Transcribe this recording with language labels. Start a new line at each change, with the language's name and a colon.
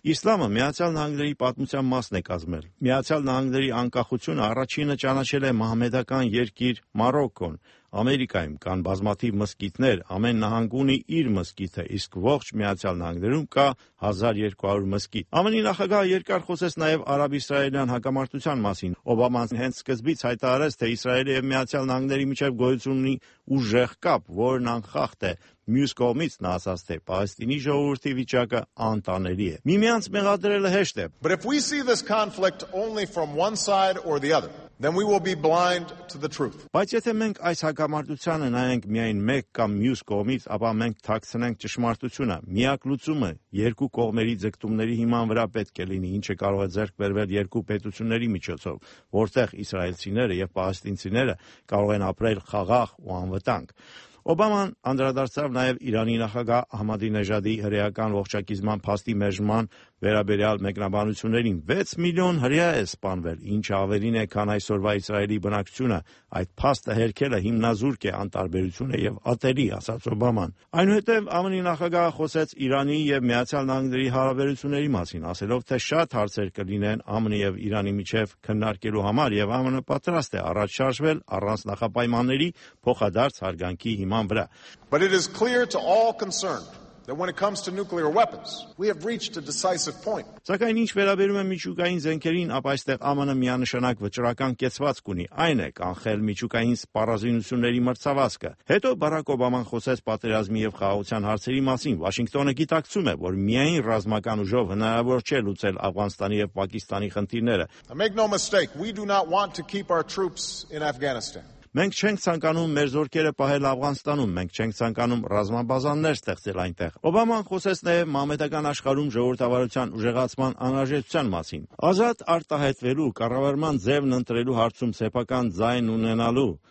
Armenian: Իսլամը Միացյալ Նահանգների պատմության մասն է կազմել։ Միացյալ Նահանգների անկախությունը առաջինը ճանաչել է մահմեդական երկիր Մարոկոն։ Ամերիկայում կան բազմաթիվ մզկիթներ, ամեն նահանգ ունի իր մզկիթը, իսկ ողջ Միացյալ Նահանգներում կա 1200 մզկիթ։ ԱՄՆ-ի նախագահը երկար խոսեց նաև արաբ-իսրայելյան հակամարտության մասին։ Օբաման հենց սկզբից հայտարարեց, թե Իսրայելի և Միացյալ Նահանգների միջև գոյություն ունի ուժեղ կապ, որն անխախտ է։ Մյուս կողմից նա ասաց, թե Պաղեստինի ժողովրդի վիճակը անտանելի է։ Միմյանց մեղադրելը հեշտ է։
English: But if we see this conflict only from one side or the other, then we will be blind to the truth.
Armenian: Բայց եթե մենք այս հակամարտությանը նայենք միայն մեկ կամ մյուս կողմից, ապա մենք թաքցնենք ճշմարտությունը։ Միակ լուծումը երկու կողմերի ձգտումների հիման վրա պետք է լինի, ինչը կարող է ձեռք բերվել երկու պետությունների միջոցով, որտեղ իսրայելցիները եւ պաղեստինցիները կարող են ապրել խաղաղ ու անվտանգ։ Օբաման անդրադարձավ նաև Իրանի նախագահ Ահմադինեջադի հրեական ողջակիզման փաստի մերժման վերաբերյալ մեկնաբանություններին. 6 միլիոն հրեա է սպանվել, ինչը ավելին է, քան այսօրվա Իսրայելի բնակչությունը։ Այդ փաստը հերքելը հիմնազուրկ է անտարբերությունը եւ ատելի, ասաց Օբաման։ Այնուհետև ԱՄՆ-ի նախագահը խոսեց Իրանի եւ Միացյալ Նահանգների հարաբերությունների մասին, ասելով, թե շատ հարցեր կլինեն ԱՄՆ-ի եւ Իրանի միջև քննարկելու համար եւ ԱՄՆ-ը պատրաստ է առաջ շարժվել առանց նախապայմանների փոխադարձ հարգանքի հիման վրա։
English: But it is clear to all concerned that when it comes to nuclear weapons, we have reached a decisive point.
Armenian: Սակայն ինչ վերաբերում է միջուկային զենքերին, ապա այստեղ ԱՄՆ-ը միանշանակ վճռական կեցված կունի, այն է կանխել միջուկային սպառազինությունների մրցավազքը։ Հետո Բարակ Օբաման խոսեց պատերազմի եւ խաղաղության հարցերի մասին։ Վաշինգտոնը գիտակցում է, որ միայն ռազմական ուժով հնարավոր չէ լուծել Աֆղանստանի եւ Պակիստանի խնդիրները։
English: Make no mistake, we do not want to keep our troops in Afghanistan.
Armenian: Մենք չենք ցանկանում մեր զորքերը պահել Աֆղանստանում, մենք չենք ցանկանում ռազմաբազաններ ստեղծել այնտեղ։ Օբաման խոսեց նաև մահմեդական աշխարհում ժողովրդավարության ուժեղացման անհրաժեշտության մասին։ Ազատ արտահայտվելու, կառավարման ձևն ընտրելու հարցում սեփական ձայն ունենալու,